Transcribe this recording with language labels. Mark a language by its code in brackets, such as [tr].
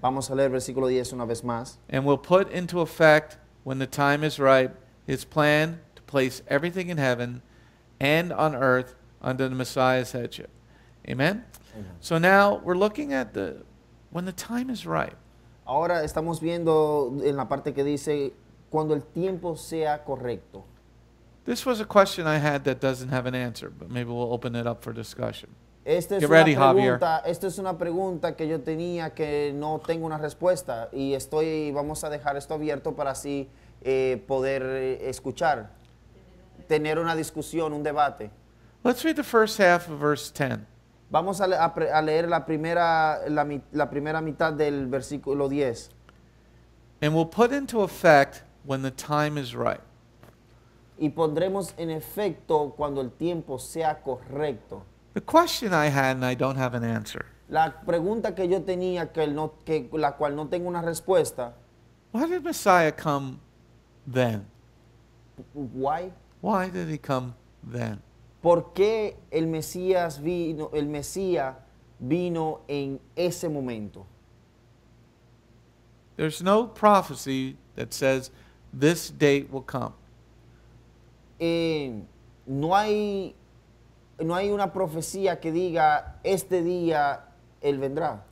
[es] Vamos a leer versículo 10 una vez más. [en] And will put into effect when the time is ripe his plan to place everything in heaven and on earth under the Messiah's headship. Amen? So now we're looking at the when the time is ripe. [es] Ahora estamos viendo en la parte que dice cuando el tiempo sea correcto. [en] This was a question I had that doesn't have an answer, but maybe we'll open it up for discussion. [es] Esta es una pregunta que yo tenía que no tengo una respuesta y vamos a dejar esto abierto para así poder escuchar, tener una discusión, un debate. [en] Let's read the first half of verse 10. [es] Vamos a leer la primera mitad del versículo 10. [en] And we'll put into effect when the time is right. [es] Y pondremos en efecto cuando el tiempo sea correcto. [en] The question I had, and I don't have an answer. [es] La pregunta que yo tenía, la cual no tengo una respuesta. [en] Why did Messiah come then? Why? Why did he come then? [es] ¿Por qué el Mesías vino en ese momento? [en] There's no prophecy that says this date will come. [es] No hay una profecía que diga este día él vendrá.